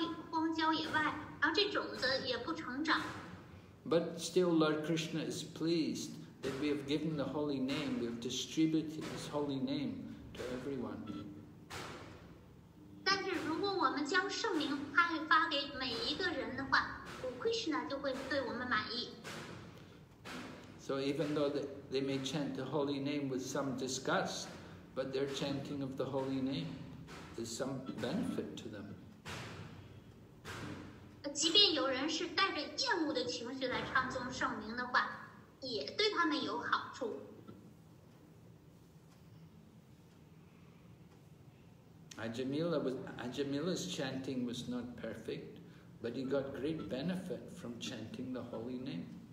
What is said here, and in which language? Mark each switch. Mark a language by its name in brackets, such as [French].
[Chinese] 荒郊野外，而这种子也不成长。 [English] But still, Lord Krishna is pleased that we have given the holy name, we have distributed His holy name to everyone. [Chinese] 但是如果我们将圣名派发给每一个人的话，古 Krishna 就会对我们满意。 [English] So even though they may chant the holy name with some disgust, but their chanting of the holy name is some benefit to them. [Chinese] 即便有人是带着厌恶的情绪来唱诵圣名的话，也对他们有好处。 [English] Ajamila's chanting was not perfect, but he got great benefit from chanting the holy name.